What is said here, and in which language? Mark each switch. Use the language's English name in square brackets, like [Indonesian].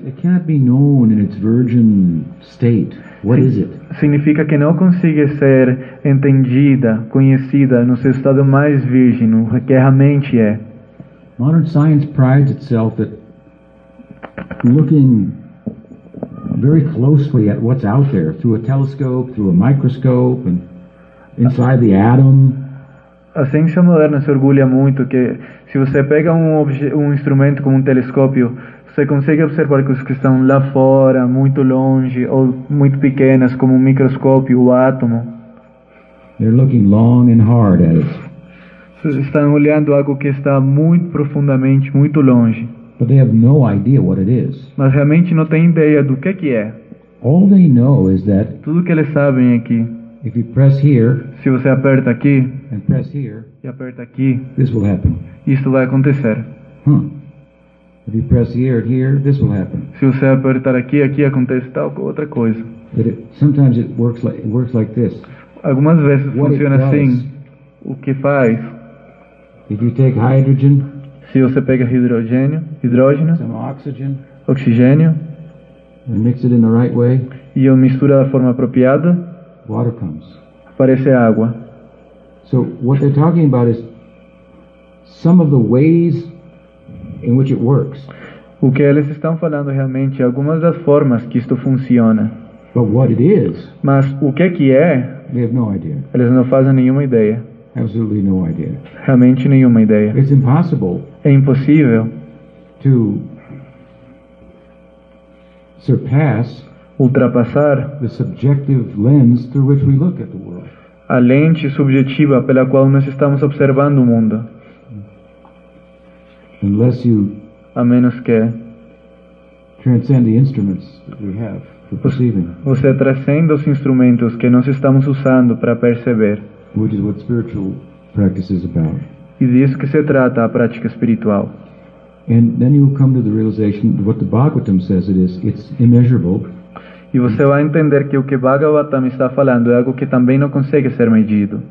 [English] it can't be known in its virgin state. What is it? [Portuguese] Significa que não consegue ser entendida, conhecida no seu estado mais virgem, no que realmente é. [English] Modern science prides itself at looking very closely at what's out there through a telescope, through a microscope, and inside the atom. [Portuguese] A ciência moderna se orgulha muito que se você pega um instrumento como um telescópio, você consegue observar coisas que estão lá fora, muito longe, ou muito pequenas, como um microscópio, o átomo. [English] They're looking long and hard at it. [Portuguese] Estão olhando algo que está muito profundamente, muito longe. [English] But they have no idea what it is. [Portuguese] Mas realmente não tem ideia do que é. [English] All they know is that [Portuguese] tudo que eles sabem é que [English] if you press here, [Portuguese] se você aperta aqui [English] and press here, [Portuguese] e aperta aqui, [English] this will happen. [Portuguese] Isto vai acontecer. [English] If you press here and here, this will happen. [Portuguese] Se você apertar aqui acontece tal outra coisa. [English] But sometimes it works like this. [Portuguese] Algumas vezes [English] what [Portuguese] funciona assim. O que faz? [English] If you take hydrogen, [Portuguese] se você pega hidrogênio, [English] some oxygen, [Portuguese] oxigênio, [English] and mix it in the right way, [Portuguese] e eu misturo da forma apropriada, [English] water comes. [Portuguese] Aparece água. [English] So what they're talking about is some of the ways in which it works. [Portuguese] O que eles estão falando realmente é algumas das formas que isto funciona. [English] But what it is, [Portuguese] mas o que é? [English] They have no idea. [Portuguese] Eles não fazem nenhuma ideia. [English] Absolutely no idea. [Portuguese] Realmente nenhuma ideia. [English] It's impossible. [Portuguese] É impossível [English] to surpass, [Portuguese] ultrapassar [English] the subjective lens through which we look at the world. [Portuguese] A lente subjetiva pela qual nós estamos observando o mundo. [English] Unless you, [Portuguese] a menos que, [English] transcend the instruments that we have for perceiving. [Portuguese] Você transcende os instrumentos que nós estamos usando para perceber. [English] Which is what spiritual practice is about. [Portuguese] E disso que se trata a prática espiritual. [English] And then you come to the realization that what the Bhagavatam says it is, it's immeasurable. [Portuguese] E você vai entender que o que Bhagavatam está falando é algo que também não consegue ser medido.